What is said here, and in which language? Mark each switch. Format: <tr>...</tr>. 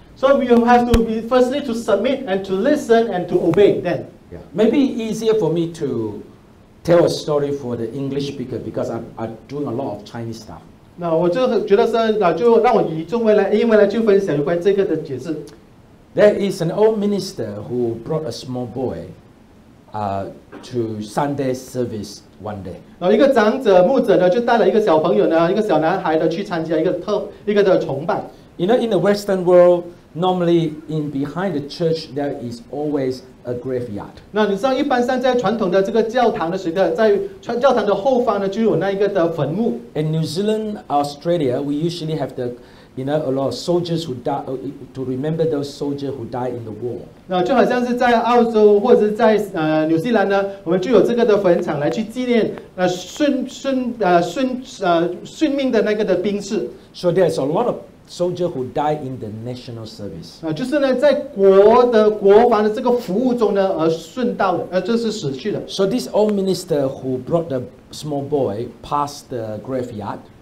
<en>So we have to be firstly to submit and to listen and to obey then. Yeah. Maybe easier for me to tell a story for the English speaker because I'm doing a lot of Chinese stuff.</en> <zh>那我就觉得是那就让我以中文来英文来去分享有关这个的解释。</zh> <en>There is an old minister who brought a small boy, to Sunday service one day.</en> <zh>那一个长者牧者呢就带了一个小朋友呢一个小男孩的去参加一个崇拜。</zh> <en>You know, in the Western world, Normally, in behind the church, there is always a graveyard.</en> <zh>那你知道，一般上在传统的这个教堂的时刻，在教堂的后方呢，就有那一个的坟墓。</zh> <en>In New Zealand, Australia, we usually have the, you know, a lot of soldiers who die to remember those soldiers who died in the war.</en> <zh>那就好像是在澳洲或者在纽西兰呢，我们就有这个的坟场来去纪念殉命的那个的兵士。</zh> <en>So there's a lot of. Soldier who died in the national service.</en> <zh>就是呢，在国的国防的这个服务中呢，而殉道的，这是死去的。</zh> <en>So this old minister who brought the small boy past the graveyard.</en>